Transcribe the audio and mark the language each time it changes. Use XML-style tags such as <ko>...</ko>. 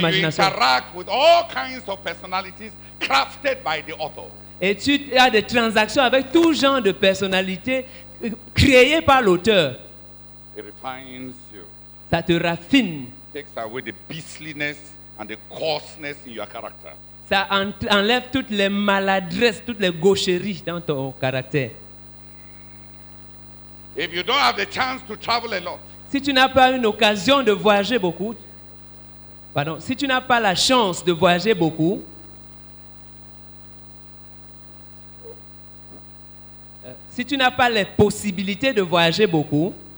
<en>And you interact with all kinds of personalities crafted by the author.</en> <fr>Et tu as des transactions avec tout genre de personnalités créées par l'auteur.</fr> <en>It refines you.</en> <fr>Ça te raffine.</fr> <en>It takes away the beastliness and the coarseness in your character.</en> <fr>Ça enlève toutes les maladresses, toutes les gaucheries dans ton caractère.</fr> <en>If you don't have the chance to travel a lot.</en> <fr>Si tu n'as pas une occasion de voyager beaucoup. Si tu n'as pas la chance de voyager beaucoup. Si tu n'as pas les possibilités de voyager beaucoup.</fr>